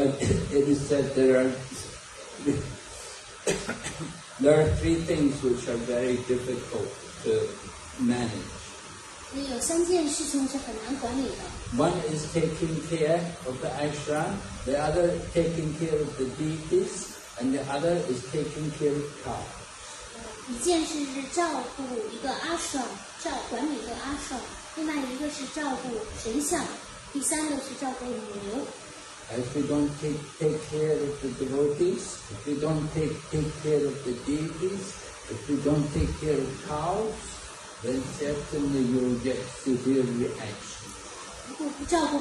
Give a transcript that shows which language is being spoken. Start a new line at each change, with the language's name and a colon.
English: it is said there are three things which are very difficult to manage.
Chinese: 有三件事情是很难管理的。
English: One is taking care of the ashram, the other taking care of the deities, and the other is taking care of cow.
Chinese: 一件事是照顾一个阿舍，照管理一个阿舍；另外一个是照顾神像，第三个是照顾母牛。
English: If we don't take care of the devotees, if we don't take care of the deities, if we don't take care of cows, then certainly you will get severe reaction.